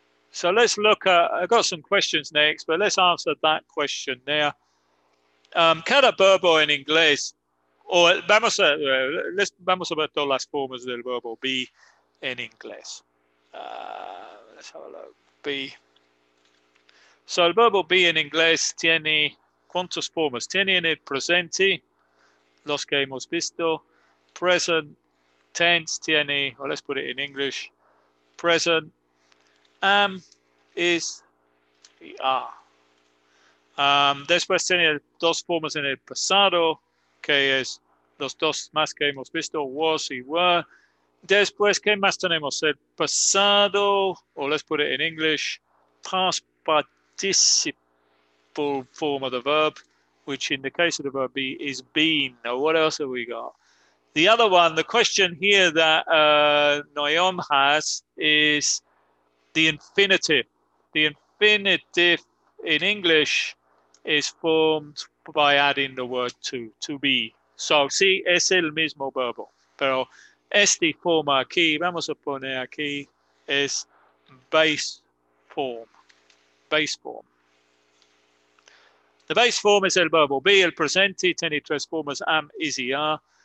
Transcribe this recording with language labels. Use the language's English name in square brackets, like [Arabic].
[English] So let's look at, I've got some questions next, but let's answer that question there. [Spanish] Cada verbo en inglés. O vamos a ver todas las formas del verbo be en inglés. [English] Let's have a look. [Spanish] Be. So el verbo be en inglés tiene ¿cuántas formas? Tiene en el presente, los que hemos visto. [English] Present tense tiene, o let's put it in English. Present. [Spanish] Am, is, y are. Después tiene dos formas en el pasado, que es los dos más que hemos visto, was y were. Después, ¿qué más tenemos? El pasado, o [English] let's put it in English, past participle form of the verb, which in the case of the verb be, is been. Now, what else have we got? The other one, the question here that Noyom has is the infinitive. The infinitive in English is formed by adding the word to be. [Spanish] So, sí, es el mismo verbo, pero esta forma aquí, vamos a poner aquí, es base [English] form, base form. The base form is [Spanish] el verbo be. El presente tiene tres formas, am, is, y are.